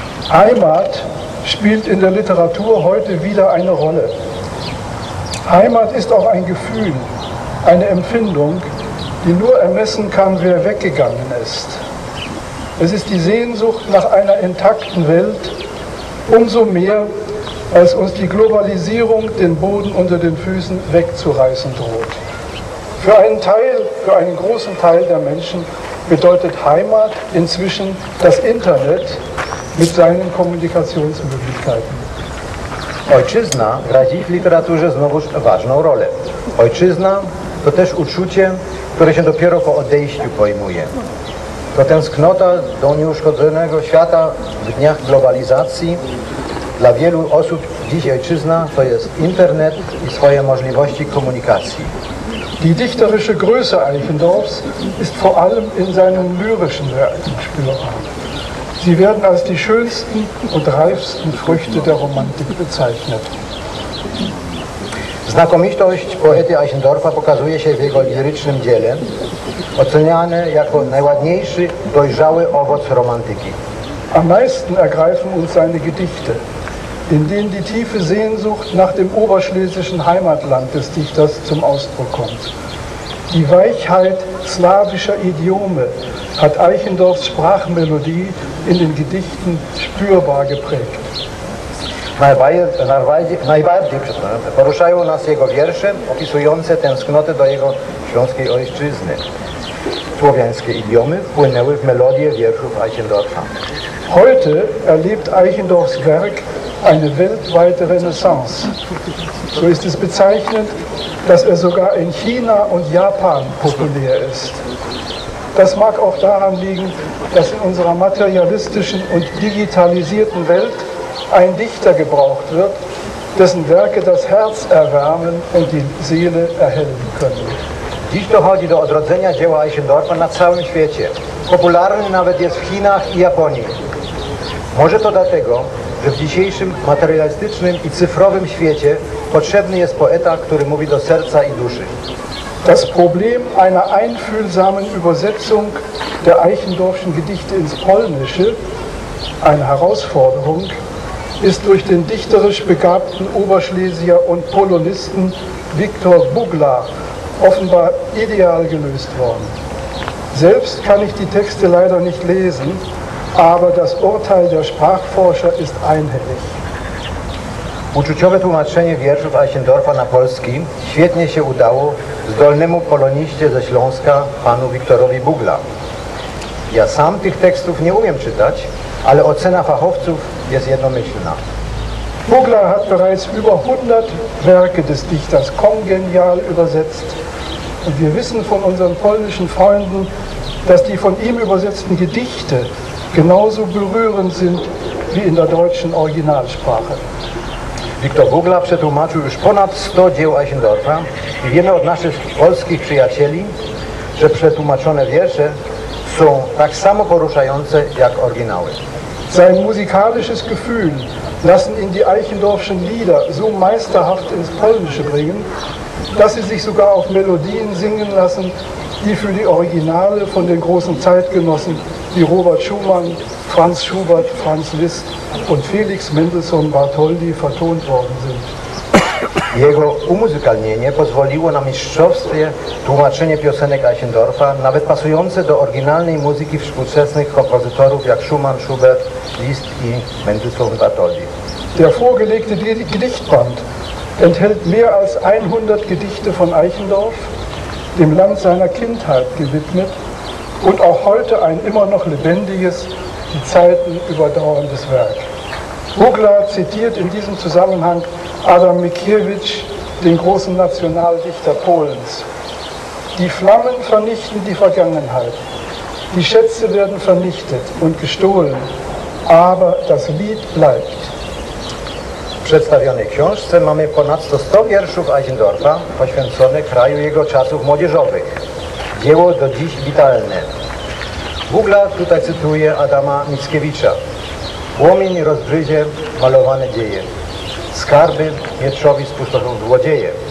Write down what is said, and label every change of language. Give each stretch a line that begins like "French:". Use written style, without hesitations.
German: Heimat spielt in der Literatur heute wieder eine Rolle. Heimat ist auch ein Gefühl, eine Empfindung, die nur ermessen kann, wer weggegangen ist. Es ist die Sehnsucht nach einer intakten Welt, umso mehr, als uns die Globalisierung den Boden unter den Füßen wegzureißen droht. Für einen großen Teil der Menschen bedeutet Heimat inzwischen das Internet mit seinen Kommunikationsmöglichkeiten.
Polish: Ojczyzna gra dziś w literaturze znowuż ważną rolę. Ojczyzna to też uczucie, które się dopiero po odejściu pojmuje. to tęsknota do nieuszkodzonego świata w dniach globalizacji. Dla wielu osób dziś ojczyzna to jest internet i swoje możliwości komunikacji.
German: Die dichterische Größe Eichendorffs ist vor allem in seinen lyrischen Werken spürbar. Sie werden als die schönsten und reifsten Früchte der Romantik bezeichnet.
Polish: Znakomitość poety Eichendorffa pokazuje się w jego lirycznym dziele, oceniane jako najładniejszy, dojrzały owoc romantyki.
German: Am meisten ergreifen uns seine Gedichte, in denen die tiefe Sehnsucht nach dem oberschlesischen Heimatland des Dichters zum Ausdruck kommt. Die Weichheit slawischer Idiome hat Eichendorffs Sprachmelodie in den Gedichten spürbar geprägt.
Polish: Najbardziej poruszają nas jego wiersze opisujące tęsknotę do jego śląskiej ojczyzny. Słowiańskie idiomy wpłynęły w melodię wierszów Eichendorffa.
German: Heute erlebt Eichendorffs Werk eine weltweite Renaissance. So ist es bezeichnend, dass sogar in China und Japan populär ist. Das mag auch daran liegen, dass in unserer materialistischen und digitalisierten Welt ein Dichter gebraucht wird, dessen Werke das Herz erwärmen und die Seele erhellen können.
Polish: Dziś dochodzi do odrodzenia dzieła Eichendorffa na całym świecie. Popularny nawet jest w Chinach i Japonii. Może to dlatego, że w dzisiejszym materialistycznym i cyfrowym świecie potrzebny jest poeta, który mówi do serca i duszy.
German: Das Problem einer einfühlsamen Übersetzung der Eichendorffschen Gedichte ins Polnische, eine Herausforderung, ist durch den dichterisch begabten Oberschlesier und Polonisten Viktor Buglar offenbar ideal gelöst worden. Selbst kann ich die Texte leider nicht lesen, aber das Urteil der Sprachforscher ist einhellig.
Polish: Uczuciowe tłumaczenie wierszów Eichendorffa na polski świetnie się udało zdolnemu poloniście ze Śląska, panu Wiktorowi Bugla. Ja sam tych tekstów nie umiem czytać, ale ocena fachowców jest jednomyślna.
German: Bugla hat bereits über 100 Werke des Dichters kongenial übersetzt. Und wir wissen von unseren polnischen Freunden, dass die von ihm übersetzten Gedichte genauso berührend sind wie in der deutschen Originalsprache.
Polish: Wiktor Bugla przetłumaczył już ponad 100 dzieł Eichendorffa i wiemy od naszych polskich przyjacieli, że przetłumaczone wiersze są tak samo poruszające jak oryginały.
German: Sein musikalisches Gefühl lassen ihn die Eichendorffschen Lieder so meisterhaft ins Polnische bringen, dass sie sich sogar auf Melodien singen lassen, die für die Originale von den großen Zeitgenossen wie Robert Schumann, Franz Schubert, Franz Liszt und Felix Mendelssohn Bartholdy vertont worden sind.
Polish: Jego umuzykalnienie pozwoliło na mistrzowskie tłumaczenie piosenek Eichendorffa, nawet pasujące do oryginalnej muzyki współczesnych kompozytorów jak Schumann, Schubert, Liszt i Mendelssohn Bartholdy.
German: Der vorgelegte Gedichtband enthält mehr als 100 Gedichte von Eichendorff, dem Land seiner Kindheit gewidmet und auch heute ein immer noch lebendiges, die Zeiten überdauerndes Werk. Bugler zitiert in diesem Zusammenhang Adam Mickiewicz, den großen Nationaldichter Polens. Die Flammen vernichten die Vergangenheit, die Schätze werden vernichtet und gestohlen, aber das Lied bleibt.
Polish: W przedstawionej książce mamy ponadto 100 wierszów Eichendorffa poświęconych kraju jego czasów młodzieżowych. Dzieło do dziś witalne. Bugla tutaj cytuje Adama Mickiewicza. Płomień rozbryzie malowane dzieje. Skarby mieczowi spustoszą złodzieje.